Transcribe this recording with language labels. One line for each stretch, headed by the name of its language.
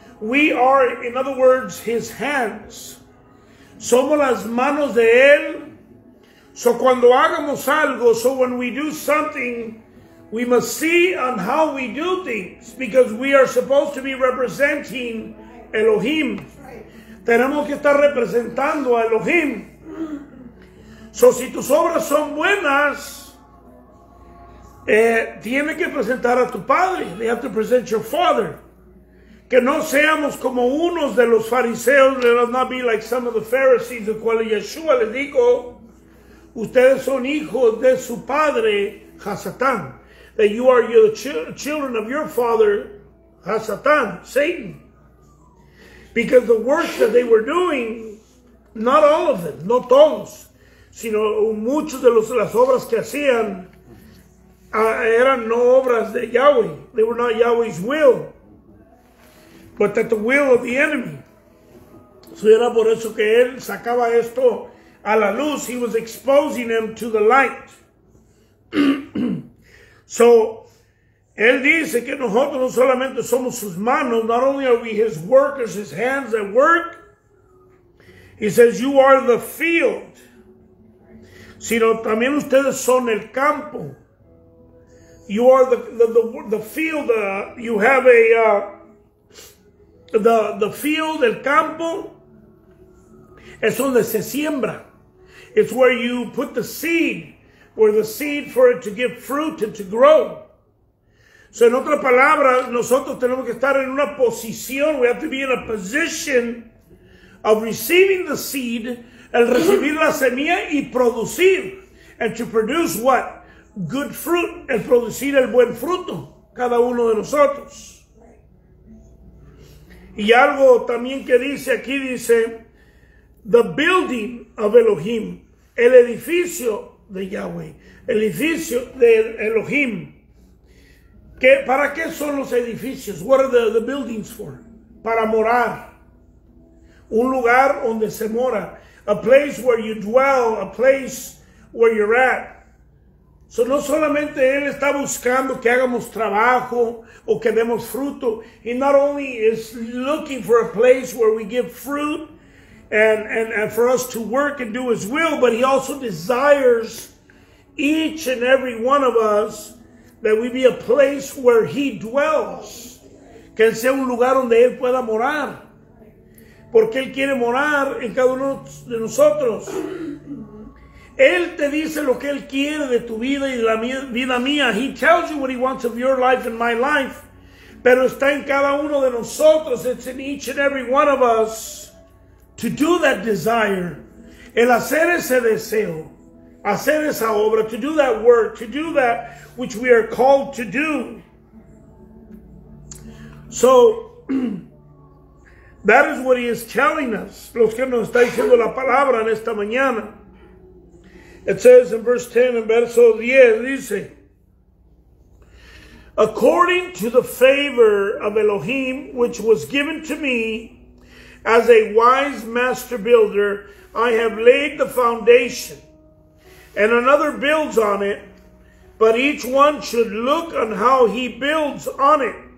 English: We are, in other words, his hands.
Spanish: Somos las manos de él.
English: So
Spanish: cuando hagamos algo,
English: so when we do something, we must see on how we do things, because we are supposed to be representing Elohim.
Spanish: Tenemos que estar representando a Elohim. So si tus obras son buenas, tiene que presentar a tu padre.
English: They have to present your father.
Spanish: Que no seamos como unos de los fariseos.
English: Let us not be like some of the Pharisees,
Spanish: de cual Yeshua les dijo, ustedes son hijos de su padre, Hasatán.
English: That you are your children of your father, Hasatán, Satan. Because the works that they were doing, not all of them,
Spanish: no todos, sino muchos de las obras que hacían, eran no obras de Yahweh.
English: They were not Yahweh's will, but that the will of the enemy.
Spanish: So era por eso que él sacaba esto a la luz.
English: He was exposing them to the light.
Spanish: So él dice que nosotros no solamente somos sus manos.
English: Not only are we his workers, his hands at work. He says you are the field,
Spanish: sino también ustedes son el campo.
English: You are the field. You have a the field,
Spanish: el campo, es donde se siembra.
English: It's where you put the seed, where the seed for it to give fruit and to grow.
Spanish: So en otra palabra, nosotros tenemos que estar en una posición.
English: We have to be in a position of receiving the seed,
Spanish: el recibir la semilla y producir,
English: and to produce what? Good fruit,
Spanish: el producir el buen fruto, cada uno de nosotros. Y algo también que dice aquí, dice,
English: the building of Elohim,
Spanish: el edificio de Yahweh, el edificio de Elohim. ¿Qué, para qué son los edificios?
English: What are the buildings for?
Spanish: Para morar. Un lugar donde se mora.
English: A place where you dwell, a place where you're at.
Spanish: So no solamente Él está buscando que hagamos trabajo o que demos fruto.
English: He not only is looking for a place where we give fruit and for us to work and do His will, but He also desires each and every one of us that we be a place where He dwells.
Spanish: Que sea un lugar donde Él pueda morar. Porque Él quiere morar en cada uno de nosotros. Él te dice lo que Él quiere de tu vida y de la vida mía.
English: He tells you what He wants of your life and my life.
Spanish: Pero está en cada uno de nosotros.
English: It's in each and every one of us to do that desire.
Spanish: El hacer ese deseo. Hacer esa obra.
English: To do that work. To do that which we are called to do. So, that is what He is telling us.
Spanish: Los que nos está diciendo la palabra en esta mañana.
English: It says in verse 10, in
Spanish: verso 10, dice,
English: according to the favor of Elohim, which was given to me as a wise master builder, I have laid the foundation, and another builds on it, but each one should look on how he builds on it.